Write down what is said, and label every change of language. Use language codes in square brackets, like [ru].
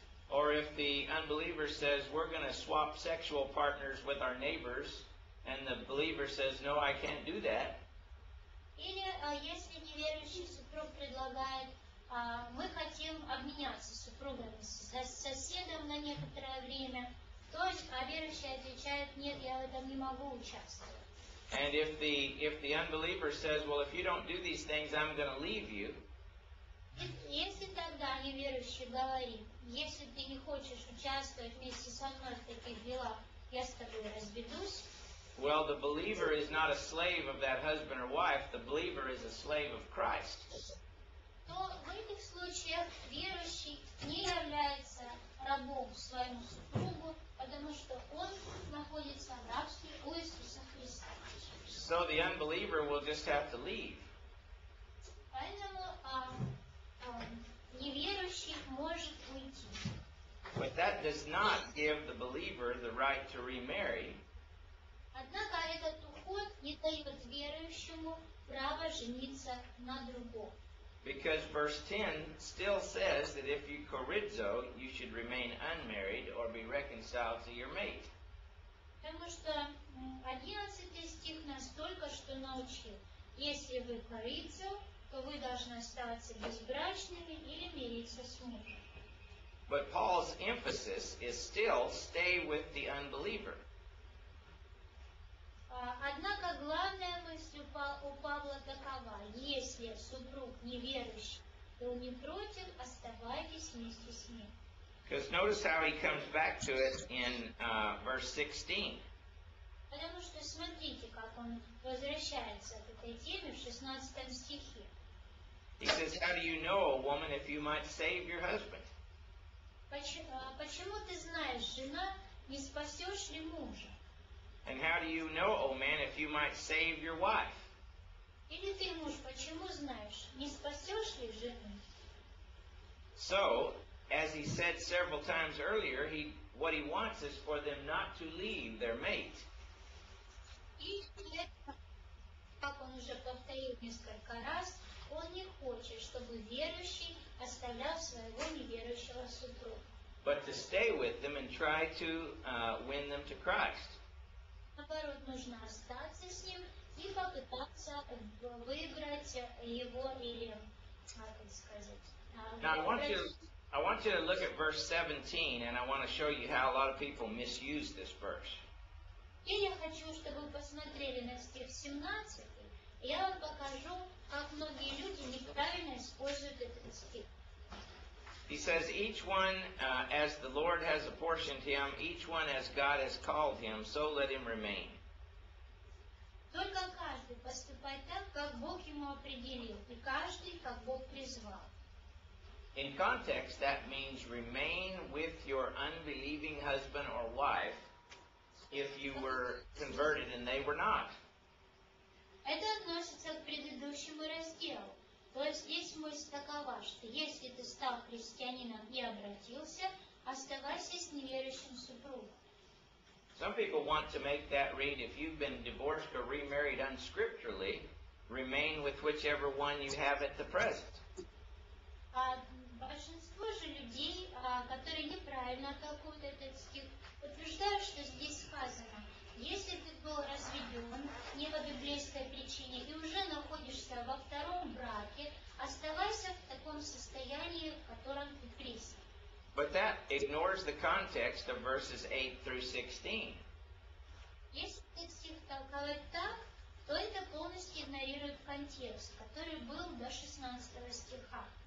[en] Or if the unbeliever says, we're going to swap sexual partners with our neighbors, and the believer says, no, I can't do that. [ru] Или если неверующий супруг предлагает, мы хотим обменяться супругами с соседом на некоторое время, то есть верующий отвечает, нет, я в этом не могу участвовать. [en] And if the unbeliever says, well, if you don't do these things, I'm going to leave you. [ru] Если тогда неверующий говорит, если ты не хочешь участвовать вместе со мной в таких делах, я с тобой разведусь. [en] Well, the believer is not a slave of that husband or wife. The believer is a slave of Christ. [ru] То в этих случаях верующий не является рабом своему супругу, потому что он находится в рабстве у Иисуса Христа. [en] So the unbeliever will just have to leave. [ru] Поэтому неверующий может уйти. [en] But that does not give the believer the right to remarry. [ru] Однако этот уход не дает верующему права жениться на другом. [en] Because verse 10 still says that if you chorizo, you should remain unmarried or be reconciled to your mate. [ru] Потому что 11 стих нас только что научил. Если вы chorizo, то вы должны оставаться безбрачными или мириться с мужем. [en] But Paul's emphasis is still stay with the unbeliever. [ru] Однако главная мысль у Павла такова. Если супруг неверующий, то он не против, оставайтесь вместе с ним. [en] Because notice how he comes back to it in verse 16. [ru] Потому что смотрите, как он возвращается к этой теме в 16 стихе. [en] He says, how do you know, a woman, if you might save your husband? [ru] Почему ты знаешь, жена, не спасешь ли мужа? [en] And how do you know, oh man, if you might save your wife? [ru] Или ты, муж, почему знаешь, не спасешь ли жену? [en] So, as he said several times earlier, what he wants is for them not to leave their mate. [ru] И, как он уже повторил несколько раз, он не хочет, чтобы верующий оставлял своего неверующего супруга. [en] But to stay with them and try to win them to Christ. [ru] Наоборот, нужно остаться с ним и попытаться выбрать его или, как это сказать, [en] Now I want you to look at verse 17, and I want to show you how a lot of people misuse this verse. [ru] И я хочу, чтобы вы посмотрели на стих 17, и я вам покажу, как многие люди неправильно используют этот стих. [en] He says, each one as the Lord has apportioned him, each one as God has called him, so let him remain. [ru] Только каждый поступает так, как Бог ему определил, и каждый, как Бог призвал. [en] In context, that means remain with your unbelieving husband or wife if you were converted and they were not. [ru] Это относится к предыдущему разделу. То есть здесь мысль такова, что если ты стал христианином и обратился, оставайся с неверующим супругом. [en] Some people want to make that read, if you've been divorced or remarried unscripturally, remain with whichever one you have at the present. [ru] Большинство же людей, которые неправильно толкуют этот стих, утверждают, что здесь сказано, если ты был разведен не по библейской причине и уже находишься во втором браке, оставайся в таком состоянии, в котором ты крест. [en] But that ignores the context of verses 8 through 16. [ru] Если этот стих толковать так, то это полностью игнорирует контекст, который был до 16 стиха.